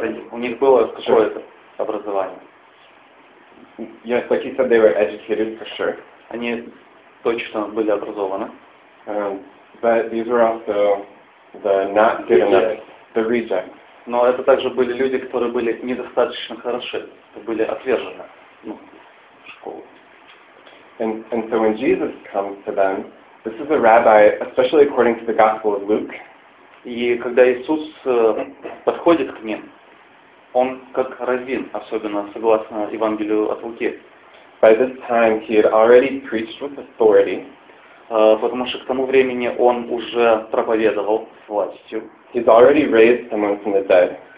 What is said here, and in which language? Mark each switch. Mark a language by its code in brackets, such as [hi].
[ru] у них было какое-то образование. [en] Yes, like you said, they were educated, for sure. [ru] Они точно были образованы. [en] But these were also the not good enough, the reject. [ru] Но это также были люди, которые были недостаточно хороши, были отвержены в школу. [en] And so when Jesus comes to them, this is a rabbi, especially according to the Gospel of Luke. [ru] И когда Иисус подходит к ним, он как раввин, особенно согласно Евангелию от Луки. [en] By this time he had already preached with authority. [ru] Потому что к тому времени он уже проповедовал с властью. [en] He's already raised someone from the dead.